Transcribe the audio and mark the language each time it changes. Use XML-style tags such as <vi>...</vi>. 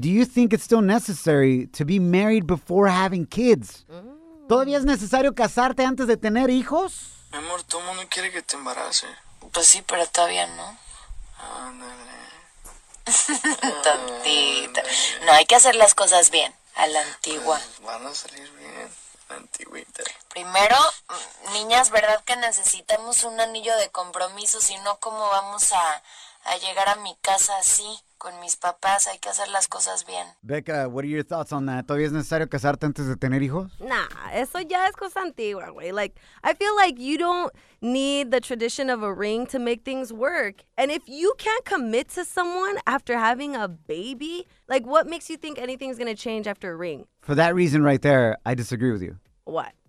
<en>Do you think it's still necessary to be married before having kids?</en> <es>¿Todavía es necesario casarte antes de tener hijos? Mi amor, todo el mundo quiere que te embarace. Pues sí, pero todavía no. Ándale. Tontita. No, hay que hacer las cosas bien, a la antigua. Pues, van a salir bien. Antiguita. Primero, niñas, ¿verdad que necesitamos un anillo de compromiso? Si no, ¿cómo vamos a llegar a mi casa así, con mis papás? Hay que hacer las cosas bien.</es> <en>Becca, what are your thoughts on that?</en> <es>¿Todavía es necesario casarte antes de tener hijos? Nah, eso ya es cosa antigua, güey.</es> <en>Like, I feel like you don't need the tradition of a ring to make things work. And if you can't commit to someone after having a baby, like, what makes you think anything's gonna change after a ring? For that reason right there, I disagree with you. What?</en>